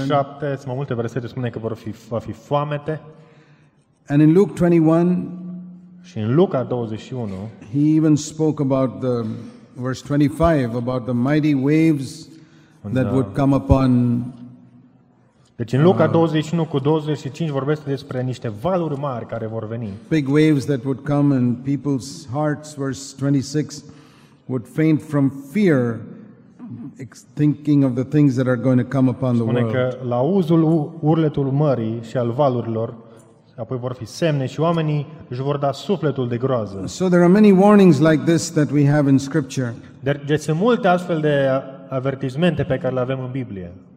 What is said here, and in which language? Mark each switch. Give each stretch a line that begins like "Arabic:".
Romanian: În 7, sunt multe versete spune că va fi foamete.
English: And in Luke 21,
Romanian: și în Luca 21,
English: he even spoke about the verse 25 about the mighty waves that would come upon.
Romanian: Deci în Luca 21 cu 25 vorbește despre niște valuri mari care vor veni.
English: Big waves that would come and people's hearts, verse 26, would faint from fear thinking of the things that are going to come upon the world.
Romanian: Spune că la auzul urletul mării și al valurilor apoi vor fi semne și oamenii își vor da sufletul de groază.
English: So there are many warnings like this that we have in scripture.
Romanian: Deci sunt multe astfel de avertismente pe care le avem în Biblie.